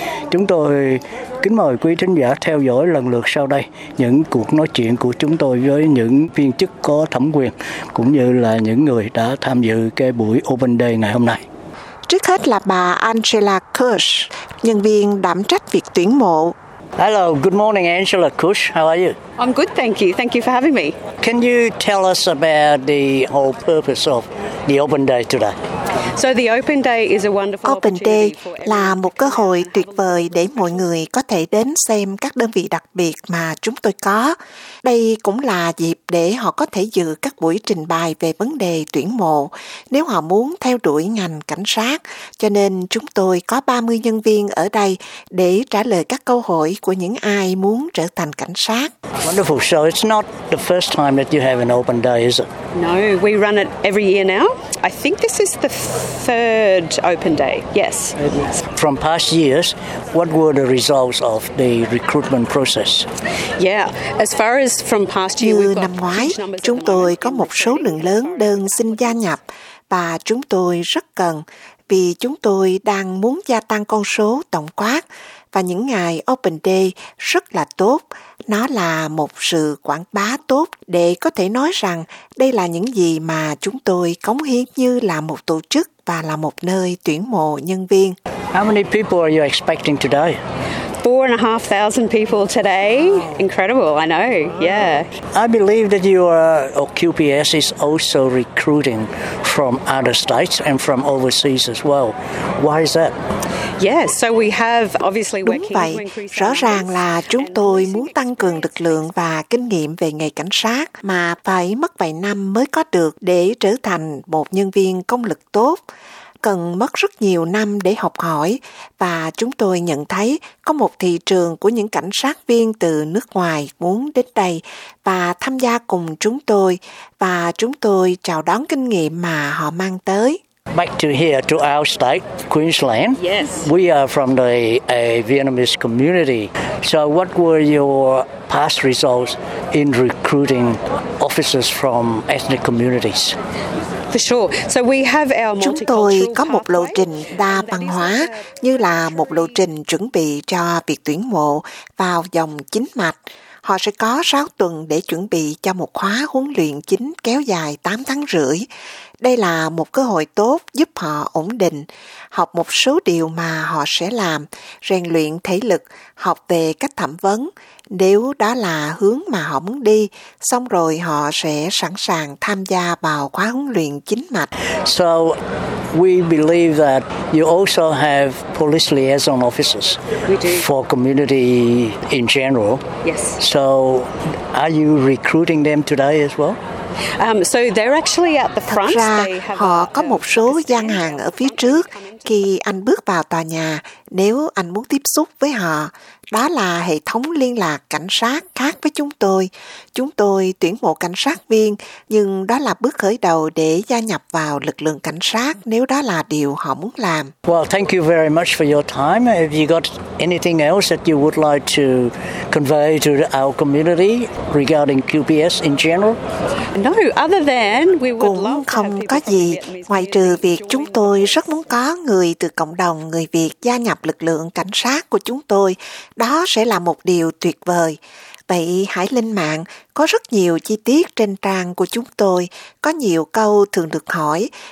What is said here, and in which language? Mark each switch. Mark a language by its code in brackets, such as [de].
[vi] Chúng tôi kính mời quý thính giả theo dõi lần lượt sau đây những cuộc nói chuyện của chúng tôi với những viên chức có thẩm quyền cũng như là những người đã tham dự cái buổi Open Day ngày hôm nay. Trước hết là bà Angela Kirsch, nhân viên đảm trách việc tuyển mộ. [en] Hello, good morning, Angela Kirsch. How are you? I'm good, thank you. Thank you for having me. Can you tell us about the whole purpose of the Open Day today? So the Open Day is a wonderful [vi] Open Day là một cơ hội tuyệt vời để mọi người có thể đến xem các đơn vị đặc biệt mà chúng tôi có. Đây cũng là dịp để họ có thể dự các buổi trình bày về vấn đề tuyển mộ nếu họ muốn theo đuổi ngành cảnh sát. Cho nên chúng tôi có 30 nhân viên ở đây để trả lời các câu hỏi của những ai muốn trở thành cảnh sát. [en] Wonderful. So it's not the first time that you have an Open Day, is it? No, we run it every year now. I think this is the third Open Day. Yes. From past years, what were the results of the recruitment process? Yeah, as far as from past year, we've got [vi] năm ngoái, chúng tôi có một số lượng lớn đơn xin gia nhập và chúng tôi rất cần vì chúng tôi đang muốn gia tăng con số tổng quát. Và những ngày Open Day rất là tốt, nó là một sự quảng bá tốt để có thể nói rằng đây là những gì mà chúng tôi cống hiến như là một tổ chức và là một nơi tuyển mộ nhân viên. [en] How many people are you expecting today? 4,500 people today. Incredible, I know. Yeah. I believe that you are, or QPS is also recruiting from other states and from overseas as well. Why is that? Yes, so we have obviously [vi] đúng vậy. Rõ ràng là chúng tôi muốn tăng cường lực lượng và kinh nghiệm về nghề cảnh sát mà phải mất vài năm mới có được để trở thành một nhân viên công lực tốt. Cần mất rất nhiều năm để học hỏi, và chúng tôi nhận thấy có một thị trường của những cảnh sát viên từ nước ngoài muốn đến đây và tham gia cùng chúng tôi, và chúng tôi chào đón kinh nghiệm mà họ mang tới. [en] Back to here, to our state, Queensland. Yes. We are from a Vietnamese community. So what were your past results in recruiting officers from ethnic communities? For sure. So we have our multicultural [vi] chúng tôi có một lộ trình đa văn hóa, như là một lộ trình chuẩn bị cho việc tuyển mộ vào dòng chính mạch. Họ sẽ có 6 tuần để chuẩn bị cho một khóa huấn luyện chính kéo dài 8 tháng rưỡi. Đây là một cơ hội tốt giúp họ ổn định, học một số điều mà họ sẽ làm, rèn luyện thể lực, học về cách thẩm vấn, nếu đó là hướng mà họ muốn đi, xong rồi họ sẽ sẵn sàng tham gia vào khóa huấn luyện chính mạch. [en] So, we believe that you also have police liaison officers for community in general. Yes. So, are you recruiting them today as well? So they're actually at the front. [vi] Thật ra, họ có một số gian hàng ở phía trước. Khi anh bước vào tòa nhà, nếu anh muốn tiếp xúc với họ, đó là hệ thống liên lạc cảnh sát khác với chúng tôi. Chúng tôi tuyển mộ cảnh sát viên, nhưng đó là bước khởi đầu để gia nhập vào lực lượng cảnh sát nếu đó là điều họ muốn làm. [en] Well, thank you very much for your time. Have you got anything else that you would like to convey to our community regarding QPS in general? No, other than we would [vi] cũng [en] love [vi] không có gì ngoài trừ việc chúng tôi rất muốn có người từ cộng đồng người Việt gia nhập lực lượng cảnh sát của chúng tôi. Đó sẽ là một điều tuyệt vời. Vậy hãy lên mạng, có rất nhiều chi tiết trên trang của chúng tôi, có nhiều câu thường được hỏi.